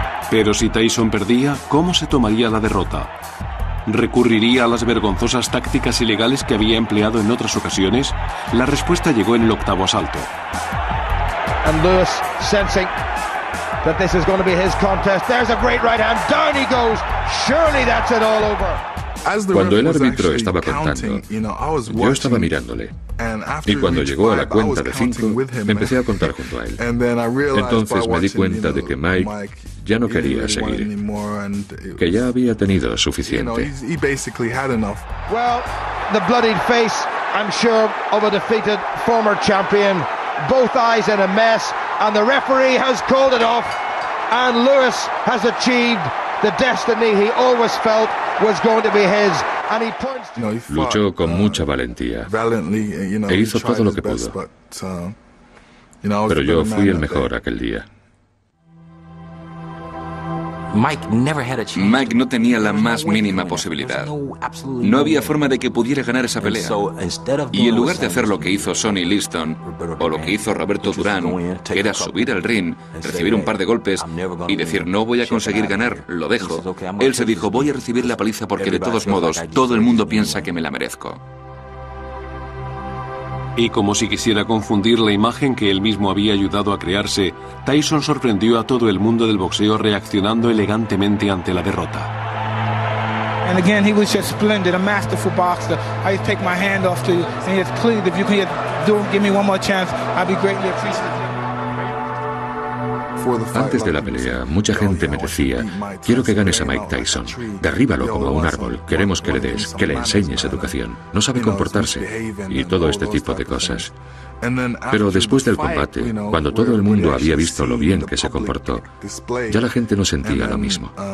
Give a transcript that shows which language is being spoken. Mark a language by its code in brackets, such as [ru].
[es] Pero si Tyson perdía, ¿cómo se tomaría la derrota? ¿Recurriría a las vergonzosas tácticas ilegales que había empleado en otras ocasiones? La respuesta llegó en el octavo asalto. [en] And Lewis sensing that this is going to be his contest. There's a great right hand. Down he goes. Surely that's it all over. [es] Cuando el árbitro estaba contando, yo estaba mirándole. Y cuando llegó a la cuenta de 5, empecé a contar junto a él. Entonces me di cuenta de que Mike ya no quería seguir, que ya había tenido suficiente. [en] Well, the bloodied face, I'm sure, of a defeated former champion. Both eyes in a mess, and the referee has called it off, and Lewis has achieved the destiny he always felt was going to be his, and he points to... [es] Luchó con mucha valentía e hizo todo lo que pudo, pero yo fui el mejor aquel día. Mike no tenía la más mínima posibilidad. No había forma de que pudiera ganar esa pelea. Y en lugar de hacer lo que hizo Sonny Liston o lo que hizo Roberto Duran, que era subir al ring, recibir un par de golpes y decir, no voy a conseguir ganar, lo dejo. Él se dijo, voy a recibir la paliza porque de todos modos todo el mundo piensa que me la merezco. Y como si quisiera confundir la imagen que él mismo había ayudado a crearse, Tyson sorprendió a todo el mundo del boxeo reaccionando elegantemente ante la derrota. [en] And again, he was just splendid, a masterful boxer. I just take my hand off to you, and he just pleaded, if you can give me one more chance, I'd be greatly appreciated. [es] Antes de la pelea, mucha gente me decía, quiero que ganes a Mike Tyson, derríbalo como un árbol, queremos que le des, que le enseñes educación, no sabe comportarse, y todo este tipo de cosas. Pero después del combate, cuando todo el mundo había visto lo bien que se comportó, ya la gente no sentía lo mismo.